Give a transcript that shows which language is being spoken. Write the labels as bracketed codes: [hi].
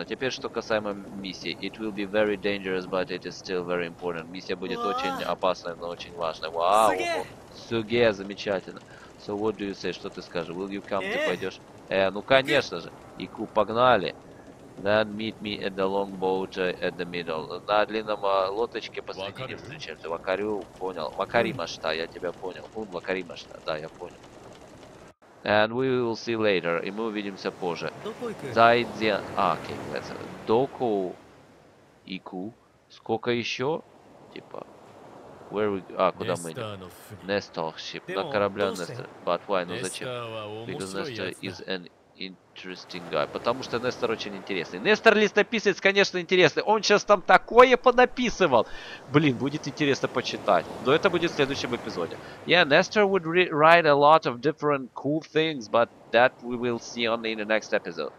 [ru] А теперь, что касаемо миссии. [en] It will be very dangerous, but it is still very important. [ru] Миссия будет очень опасная, но очень важная. Вау, Суге, замечательно. [en] So what do you say, [ru] что ты скажешь? [en] Will you come, [ru] ты пойдешь? Ну конечно же, [ja] ику [ru] погнали. [en] Then meet me at the longboat at the middle. [ru] На длинном лоточке посредине встречаемся. [ja] Вакарю, [ru] понял. [ja] Вакаримашта, [ru] я тебя понял. [ja] Вакаримашта, [ru] да, я понял. [en] And we will see later. [ru] И мы увидимся позже. Зайдзен. А, окей, это. [ja] Доку ику. [ru] Сколько еще? Типа. [en] Where we... [ru] А, куда мы идем? Nestor ship. На корабле Nestor. [en] But why? [ru] Ну зачем? [en] Because Nestor is an interesting guy. [ru] Потому что Nestor очень интересный. Nestor листописец, конечно, интересный. Он сейчас там такое понаписывал. Блин, будет интересно почитать. Но это будет в следующем эпизоде. [en] Yeah, Nestor would write a lot of different cool things, but that we will see only in the next episode.